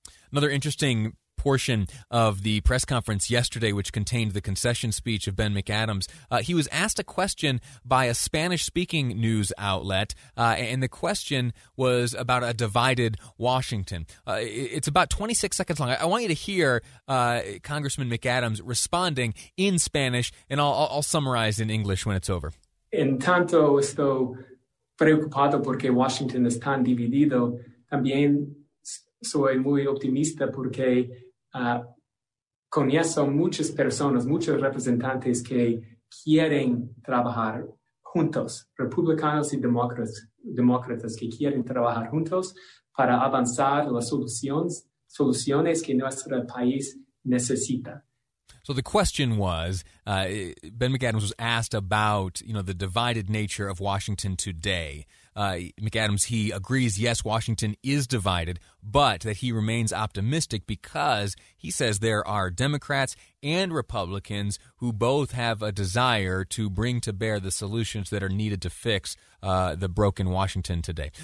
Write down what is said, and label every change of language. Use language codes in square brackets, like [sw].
[en] Another interesting portion of the press conference yesterday, which contained the concession speech of Ben McAdams, he was asked a question by a Spanish-speaking news outlet, and the question was about a divided Washington. It's about 26 seconds long. I want you to hear Congressman McAdams responding in Spanish, and I'll summarize in English when it's over. [es] En tanto estoy preocupado porque Washington es tan dividido, también soy muy optimista porque conozco muchas personas, muchos representantes que quieren trabajar juntos, republicanos y demócratas que quieren trabajar juntos para avanzar las soluciones que nuestro país necesita. [en] So the question was, Ben McAdams was asked about, the divided nature of Washington today. McAdams, he agrees, yes, Washington is divided, but that he remains optimistic because he says there are Democrats and Republicans who both have a desire to bring to bear the solutions that are needed to fix the broken Washington today.